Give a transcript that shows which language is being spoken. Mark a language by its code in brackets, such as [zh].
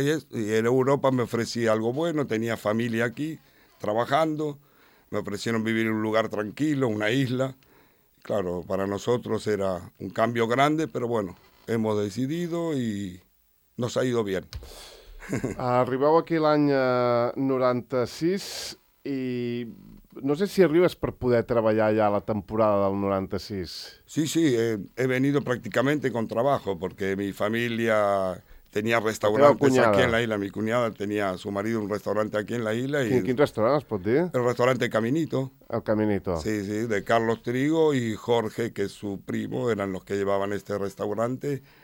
[es] Y en Europa me ofrecí algo bueno, tenía familia aquí trabajando. Me ofrecieron vivir en un lugar tranquilo, una isla. Claro, para nosotros era un cambio grande, pero bueno, hemos decidido y nos ha ido bien. [ca] Arribeu aquí l'any 96 i no sé si arribes per poder treballar ja la temporada del 96. [es] Sí, sí, he venido prácticamente con trabajo porque mi familia tenía restaurantes aquí en la isla. Mi cuñada tenía su marido un restaurante aquí en la isla. [ca] I quin restaurant es pot dir? [es] El restaurante Caminito. El Caminito. Sí, sí, de Carlos Trigo y Jorge, que es su primo, eran los que llevaban este restaurante.